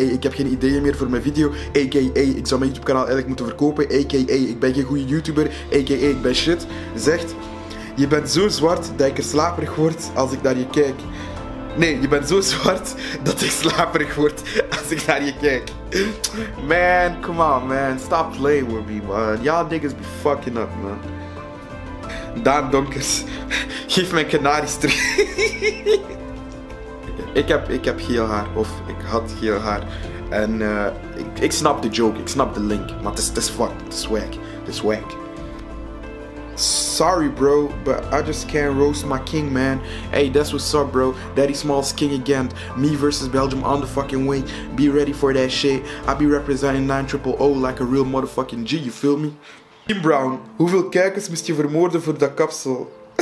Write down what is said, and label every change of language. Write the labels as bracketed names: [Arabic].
[Dutch] ik heb geen ideeën meer voor mijn video, a.k.a. ik zou mijn YouTube-kanaal eigenlijk moeten verkopen, a.k.a. ik ben geen goede YouTuber, a.k.a. ik ben shit, zegt, je bent zo zwart dat ik er slaperig word als ik naar je kijk. Nee, je bent zo zwart dat ik slaperig word als ik naar je kijk. [English] Man, come on, man, stop playing with me, man. Y'all niggas be fucking up, man. [Dutch] Daan Donkers, geef mijn kanaries terug. ik heb geel haar, of ik had geel haar. En ik snap de joke, ik snap de link. Maar het is fucked, het is wack. Het is wack. [English] Sorry bro, but I just can't roast my king, man. Hey, that's what's up, bro. Daddy Smalls king again. Me versus Belgium on the fucking wing. Be ready for that shit. I be representing 9000 like a real motherfucking G, you feel me? [Dutch] Jim Brown, hoeveel kijkers moest je vermoorden voor dat kapsel?